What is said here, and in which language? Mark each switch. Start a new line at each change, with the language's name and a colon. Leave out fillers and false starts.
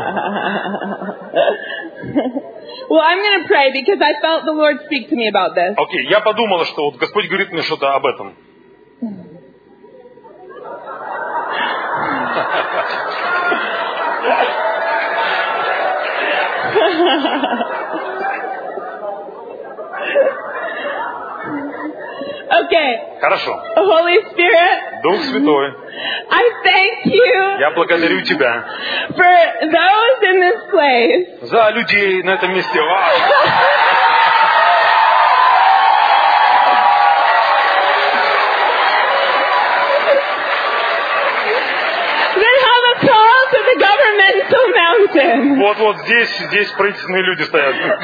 English: Well, I'm going to pray because I felt the Lord speak to me about this.
Russian: Okay, я подумала, что вот Господь говорит мне что-то об этом.
English: Okay.
Russian: Хорошо.
English: Holy Spirit.
Russian: Дух Святой.
English: I thank you.
Russian: Я благодарю тебя.
English: For those in this place.
Russian: За людей на этом месте. Wow.
English: They have a call to the governmental mountain.
Russian: Вот-вот здесь правительственные люди стоят.